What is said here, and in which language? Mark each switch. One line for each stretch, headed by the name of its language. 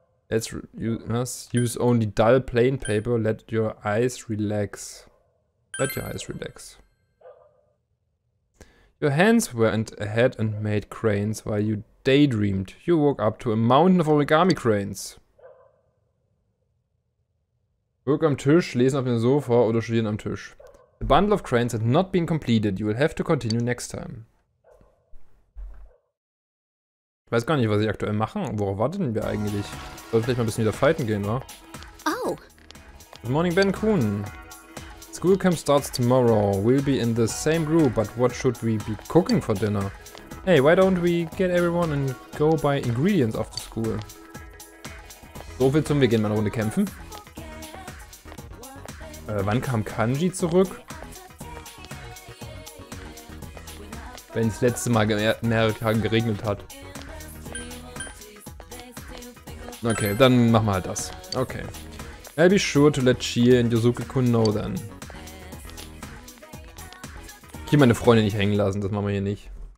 English: Let's use only dull plain paper. Let your eyes relax. Let your eyes relax. Your hands went ahead and made cranes while you daydreamed. You woke up to a mountain of origami cranes.
German: Work am Tisch, lesen auf dem Sofa oder studieren am Tisch.
English: The bundle of cranes had not been completed. You will have to continue next time.
German: Ich weiß gar nicht, was ich aktuell machen. Worauf warten wir eigentlich? Sollte vielleicht mal ein bisschen wieder fighten gehen, wa?
English: Oh. Good morning, Ben-Kun. School camp starts tomorrow. We'll be in the same group, but what should we be cooking for dinner? Hey, why don't we get everyone and go buy ingredients after school?
German: So viel zum, wir gehen mal eine Runde kämpfen. Wann kam Kanji zurück? Wenn es letzte Mal mehrere Tage geregnet hat. Okay, dann machen wir halt das. Okay.
English: I'll be sure to let Chie and Yosuke-kun know then.
German: Hier meine Freunde nicht hängen lassen, das machen wir hier nicht.